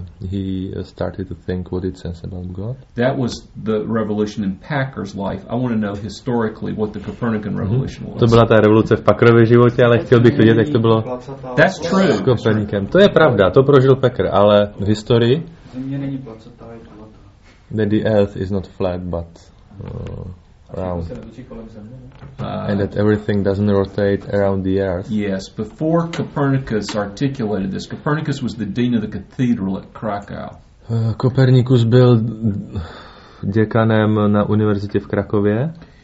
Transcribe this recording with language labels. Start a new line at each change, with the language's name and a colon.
English: He started to think what it says about God. That was the revolution in Packer's life. I want to know historically what the Copernican revolution was.
Czech: To byla ta revoluce v Packerově životě, ale chtěl bych vědět, jak to bylo.
English: That's true.
Czech: S Kopernikem. To je pravda, to prožil Packer, ale v historii. Země není placatá, je plata.
English: That the earth is not flat, but round. And that everything doesn't rotate around the earth. Yes, before Copernicus articulated this, Copernicus was the dean of the cathedral at Krakow.
Czech: Kopernikus byl děkanem na univerzitě v Krakově.